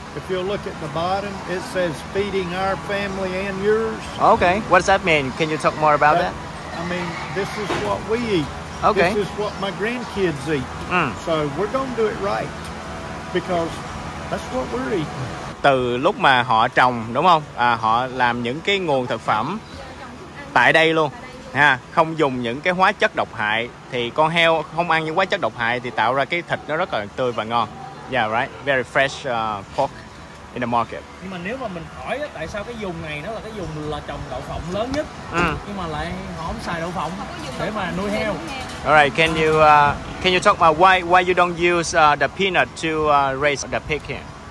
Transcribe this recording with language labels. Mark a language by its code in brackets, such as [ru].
[en] If you look at the bottom, it says feeding our family and yours. Okay, what does that mean? Can you talk more about that? I mean, this is what we eat. Okay. This is what my grandkids eat. Mm. So we're going to do it right, because that's what we're eating. [vi] Từ lúc mà họ trồng, đúng không? À, họ làm những cái nguồn thực phẩm tại đây luôn. Ha, không dùng những cái hóa chất độc hại. Thì con heo không ăn những hóa chất độc hại thì tạo ra cái thịt nó rất là tươi và ngon. [en] Yeah, right. Very fresh pork in the market. [vi] Nhưng mà nếu mà mình hỏi đó, tại sao cái vùng này nó là cái vùng là trồng đậu phộng lớn nhất, nhưng mà lại họ không xài đậu phộng để mà nuôi heo. [en] Alright, can you talk about why you don't use the peanut to raise the pig here?